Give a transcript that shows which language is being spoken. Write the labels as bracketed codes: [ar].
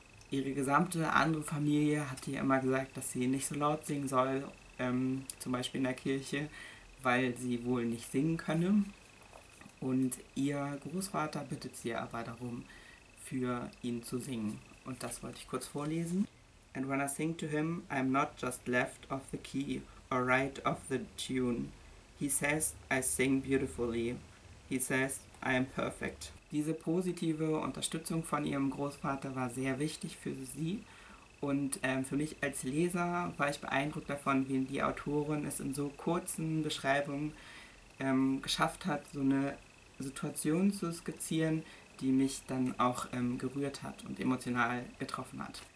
[de] Ihre gesamte andere Familie hat ihr immer gesagt, dass sie nicht so laut singen soll, zum Beispiel in der Kirche, weil sie wohl nicht singen könne. Und ihr Großvater bittet sie aber darum, für ihn zu singen. Und das wollte ich kurz vorlesen. [en] And when I sing to him, I'm not just left of the key or right of the tune. He says, I sing beautifully. He says, I am perfect. [de] Diese positive Unterstützung von ihrem Großvater war sehr wichtig für sie. Und für mich als Leser war ich beeindruckt davon, wie die Autorin es in so kurzen Beschreibungen geschafft hat, so eine Situation zu skizzieren, die mich dann auch gerührt hat und emotional getroffen hat.